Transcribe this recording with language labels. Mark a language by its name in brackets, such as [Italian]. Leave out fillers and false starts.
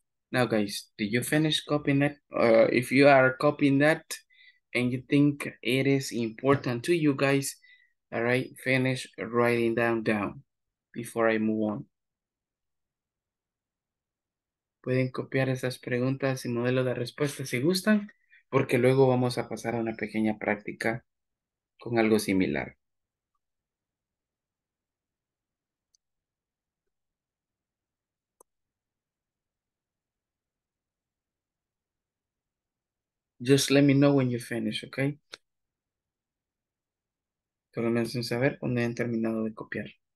[English] Now, guys, did you finish copying that? If you are copying that and you think it is important to you guys, all right, finish writing down before I move on. [Spanish] Pueden copiar esas preguntas y modelo de respuesta si gustan, porque luego vamos a pasar a una pequeña práctica con algo similar. [English] Just let me know when you finish, okay? [Spanish] Solo me hacen saber cuando hayan terminado de copiar.